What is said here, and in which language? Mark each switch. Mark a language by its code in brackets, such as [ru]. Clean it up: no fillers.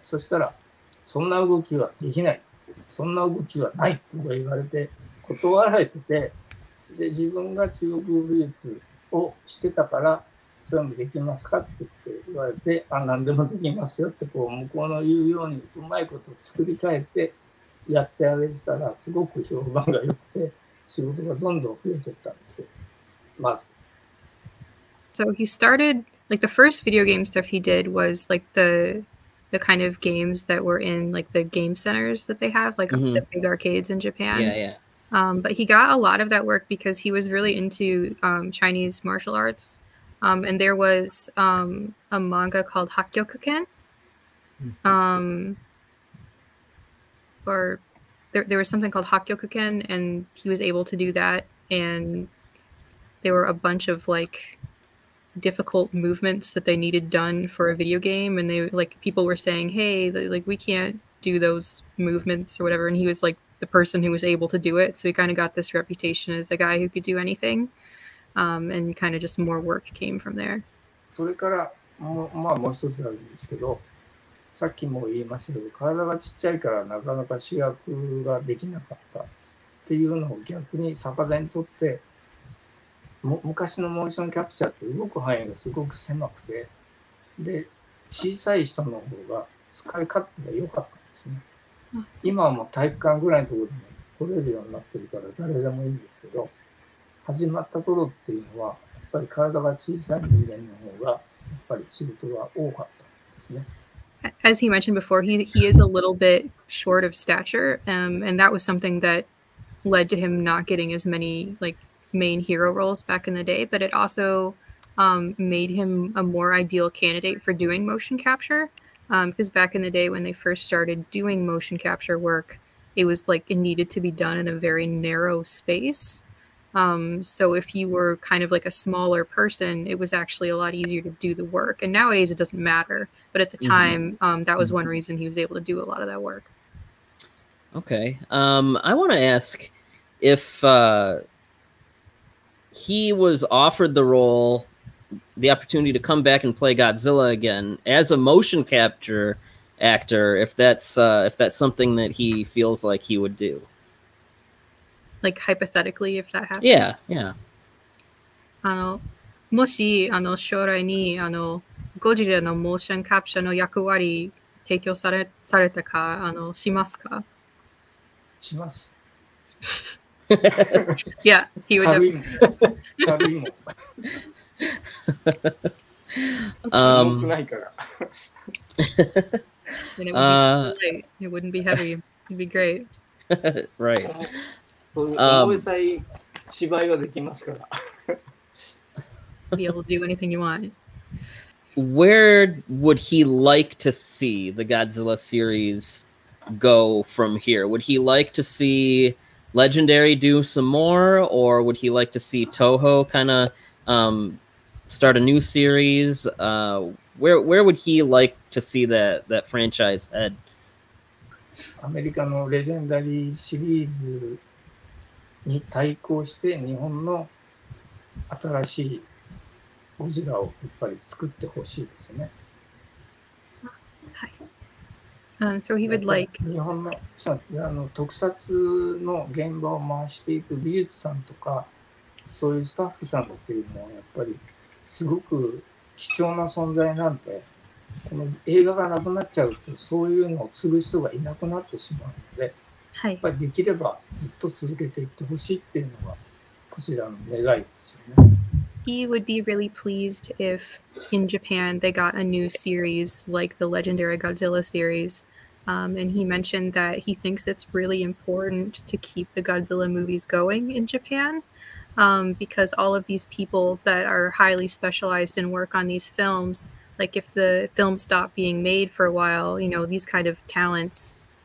[ja] そしたら、そんな動きはできない。そんな動きはないとか言われて、断られてて、で、自分が中国武術をしてたから、それもできますかって言われて、あ、何でもできますよって、こう、向こうの言うように、うまいことを作り変えて、やってあげてたら、すごく評判が良くて、仕事がどんどん増えてったんですよ。まず。 [en] So he started, like, the first video game stuff he did was, like, the kind of games that were in, like, the game centers that they have, like, the big arcades in Japan. Yeah. But he got a lot of that work because he was really into Chinese martial arts. And there was a manga called Hakkyokuken. There was something called Hakkyokuken, and he was able to do that. And there were a bunch of like difficult movements that they needed done for a video game. And they like people were saying, hey, like we can't do those movements or whatever. And he was like, the person who was able to do it. So he kind of got this reputation as a guy who could do anything. And kind of just more work came from there. [ja] それからもう、まあ、もう一つあるんですけど、さっきも言いましたけど、体がちっちゃいからなかなか主役ができなかったっていうのを逆に逆手にとって、も昔のモーションキャプチャーって動く範囲がすごく狭くて、で、小さい人の方が使い勝手が良かったんですね。今はもう体育館ぐらいのところでも撮れるようになってるから誰でもいいんですけど、始まった頃っていうのは、やっぱり体が小さい人間の方が、やっぱり仕事が多かったんですね。 [en] As he mentioned before, he is a little bit short of stature, and that was something that led to him not getting as many like main hero roles back in the day, but it also made him a more ideal candidate for doing motion capture, because back in the day when they first started doing motion capture work, it was like it needed to be done in a very narrow space. So if you were kind of like a smaller person, it was actually a lot easier to do the work. And nowadays it doesn't matter. But at the time, that was one reason he was able to do a lot of that work. Okay. I want to ask if he was offered the role, the opportunity to come back and play Godzilla again as a motion capture actor, if that's something that he feels like he would do. Like hypothetically, if that happened. Yeah, yeah. [ja] もし将来にゴジラのモーションキャプチャーの役割提供されたかしますか。します。 [en] Yeah, he would definitely. [ja] ないから。 [en] It wouldn't be heavy. It'd be great. Right. be able to do anything you want. Where would he like to see the Godzilla series go from here? Would he like to see Legendary do some more, or would he like to see Toho kind of start a new series? Where would he like to see that franchise head? American Legendary series. [ja] に対抗して日本の新しいゴジラをやっぱり作ってほしいですね。はい。 [en] So he would like [ja] 日本の、特撮の現場を回していく美術さんとかそういうスタッフさんっていうのはやっぱりすごく貴重な存在なんで、この映画がなくなっちゃうとそういうのを継ぐ人がいなくなってしまうので。はい、やっぱりできればずっと続けていってほしいっていうのがこちらの願いですよね。 [en] He would be really pleased if in Japan they got a new series like the Legendary Godzilla series. And he mentioned that he thinks it's really important to keep the Godzilla movies going in Japan. Because all of these people that are highly specialized in work on these films, like if the films stop being made for a while, you know, these kind of talents...